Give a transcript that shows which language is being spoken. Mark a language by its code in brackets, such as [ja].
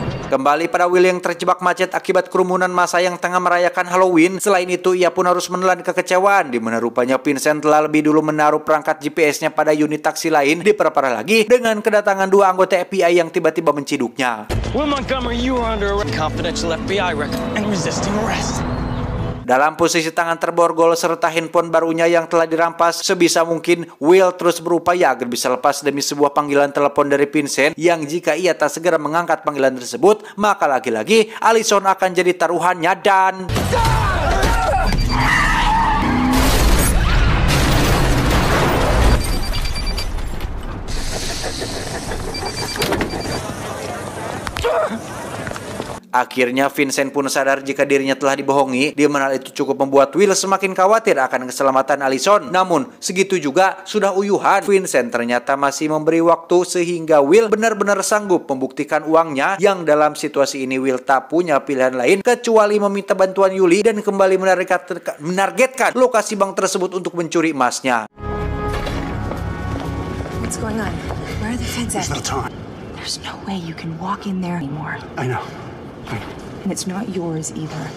[id] Kembali pada Will yang terjebak macet akibat kerumunan massa yang tengah merayakan Halloween. Selain itu, ia pun harus menelan kekecewaan di mana rupanya Vincent telah lebih dulu menaruh perangkat GPS-nya pada unit taksi lain, diperparah lagi dengan kedatangan dua anggota FBI yang tiba-tiba menciduknya. [en] Will Montgomery, you are under arrest. Confidential FBI record and resisting arrest. [id] Dalam posisi tangan terborgol serta handphone barunya yang telah dirampas, sebisa mungkin Will terus berupaya agar bisa lepas demi sebuah panggilan telepon dari Vincent yang jika ia tak segera mengangkat panggilan tersebut, maka lagi-lagi Allison akan jadi taruhannya dan... Akhirnya Vincent pun sadar jika dirinya telah dibohongi, di mana itu cukup membuat Will semakin khawatir akan keselamatan Allison. Namun segitu juga sudah uyuhan, Vincent ternyata masih memberi waktu sehingga Will benar-benar sanggup membuktikan uangnya, yang dalam situasi ini Will tak punya pilihan lain kecuali meminta bantuan Yuli dan kembali menargetkan lokasi bank tersebut untuk mencuri emasnya. [en] What's going on? Where are the Vincent? There's no time. There's no way you can walk in there anymore. I know. Fine. And it's not yours either.